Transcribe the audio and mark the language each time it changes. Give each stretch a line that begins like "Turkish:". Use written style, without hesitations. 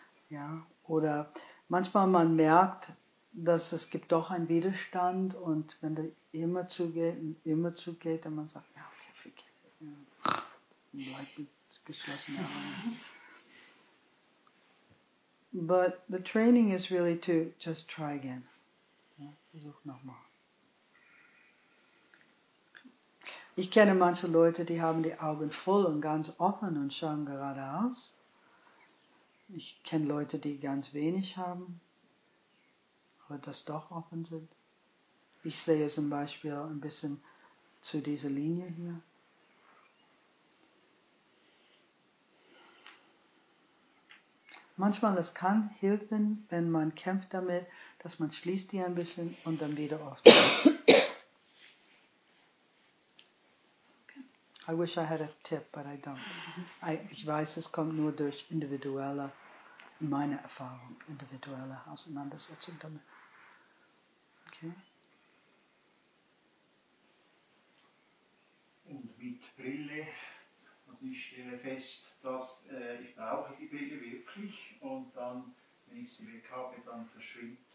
German: Ja, oder manchmal man merkt, dass es gibt doch einen Widerstand und wenn der immer zugeht und immer zugeht, dann man sagt, ja, okay, vergeht. Bleibt mit geschlossenen Augen.
English: But the training is really to just try again.
German: Ja, versuch nochmal. Ich kenne manche Leute, die haben die Augen voll und ganz offen und schauen geradeaus. Ich kenne Leute, die ganz wenig haben, aber das doch offen sind. Ich sehe zum Beispiel ein bisschen zu dieser Linie hier. Manchmal das kann helfen, wenn man kämpft damit, dass man schließt die ein bisschen und dann wieder aufzieht.
English: I wish I had a tip, but I don't.
German: Ich weiß, es kommt nur durch individuelle, meine Erfahrung, individuelle Auseinandersetzung damit. Okay. Und mit Brille, also ich stelle fest, dass ich brauche die Brille wirklich und dann, wenn ich sie weg habe, dann verschwindet